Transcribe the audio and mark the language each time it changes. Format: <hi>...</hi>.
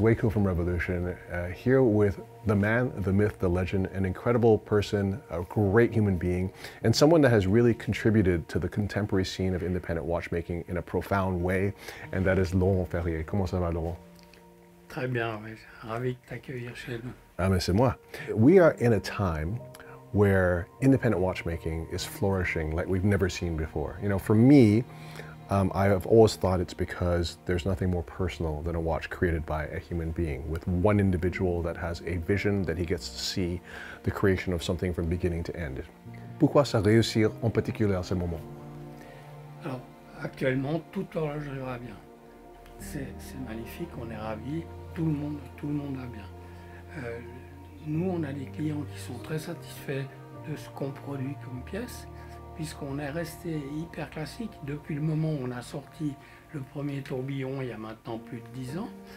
<en>Waco from Revolution, here with the man, the myth, the legend, an incredible person, a great human being, and someone that has really contributed to the contemporary scene of independent watchmaking in a profound way, and that is Laurent Ferrier.</en> <fr>Comment ça va, Laurent? Très bien, mais ravi de t'accueillir chez nous. Ah, mais c'est moi.</fr> <en>We are in a time where independent watchmaking is flourishing like we've never seen before. You know, for me, I have always thought it's because there's nothing more personal than a watch created by a human being with one individual that has a vision that he gets to see the creation of something from beginning to end.</en> <fr>Pourquoi ça réussit en particulier à ce moment? Alors, actuellement, toute horlogerie va bien. C'est magnifique, on est ravis, tout le monde va bien. Nous, on a des clients qui sont très satisfaits de ce qu'on produit comme pièce, puisqu'on est resté hyper classique depuis le moment où on a sorti le premier tourbillon il y a maintenant plus de 10 ans.</fr>